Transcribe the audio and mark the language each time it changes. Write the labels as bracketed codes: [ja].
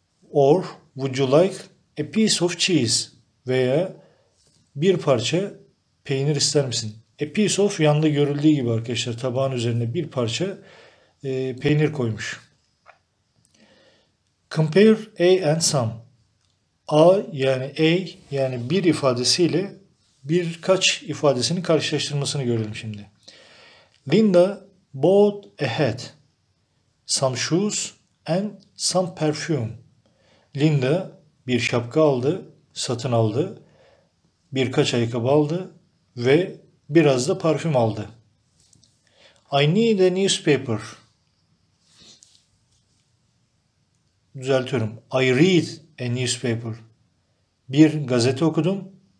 [en] Or would you like a piece of cheese? [tr] Veya bir parça peynir ister misin? [en] A piece of [tr] yanda görüldüğü gibi arkadaşlar tabağın üzerine bir parça peynir koymuş. [en] Compare A and some. [tr] A yani A yani bir ifadesiyle birkaç ifadesini karşılaştırmasını görelim şimdi. [en] Linda bought a hat, some shoes and some perfume. [tr] Linda bir şapka aldı, satın aldı, birkaç ayakkabı aldı ve biraz da parfüm aldı. [en] I need a newspaper. [tr] Düzeltiyorum. [en] I read a newspaper. [tr] Bir gazete okudum.